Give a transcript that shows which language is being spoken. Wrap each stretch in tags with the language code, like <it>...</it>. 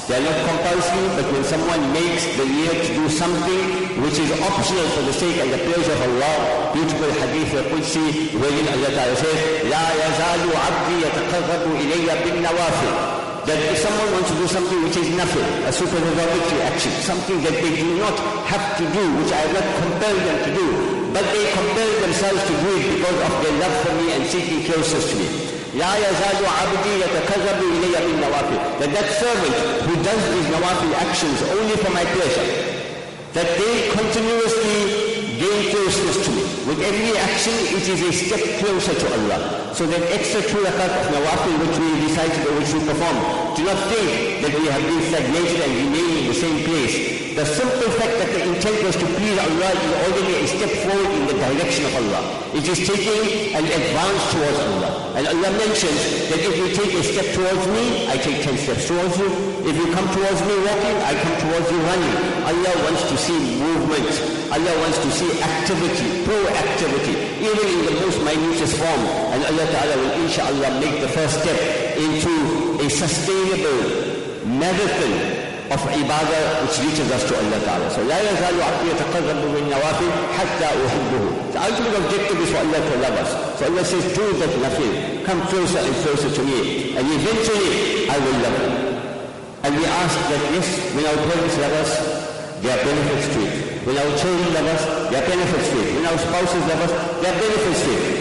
<en>They are not compulsory, but when someone makes the need to do something which is optional for the sake and the pleasure of Allah, beautiful hadith of Qudsi, wherein Allah Ta'ala says,</en> <ar>لا يزال عبدي يتقرب إلي بالنوافل.</ar> <en>That if someone wants to do something which is nothing, a supervisory action, something that they do not have to do, which I have not compelled them to do, but they compel themselves to do it because of their love for me and seeking closeness to me.</en> <ar>لا يزال عبدي يتكذب إلي من نوافل.</ar> <en>That servant who does these nawafil actions only for my pleasure, that they continuously gain closeness to me. With every action, it is a step closer to Allah. So that extra 2 rakat of nawafil which we recited or which we perform, do not think that we have been stagnated and remain in the same place. The simple fact that the intent was to please Allah is already a step forward in the direction of Allah. It is taking an advance towards Allah. And Allah mentions that if you take a step towards me, I take 10 steps towards you. If you come towards me walking, I come towards you running. Allah wants to see movement. Allah wants to see activity, proactivity, even in the most minutest form. And Allah Ta'ala will inshallah make the first step into a sustainable marathon of ibadah which reaches us to Allah Ta'ala.</en> <ar>So لا يزال عبدي يتقرب من نوافل حتى أحبه.</ar> <en>The ultimate objective is for Allah to love us. So Allah says, do that nothing, come closer and closer to me, and eventually I will love you. And we ask that, yes, when our parents love us, there are benefits to it. When our children love us, there are benefits to it. When our spouses love us, there are benefits to it.</en>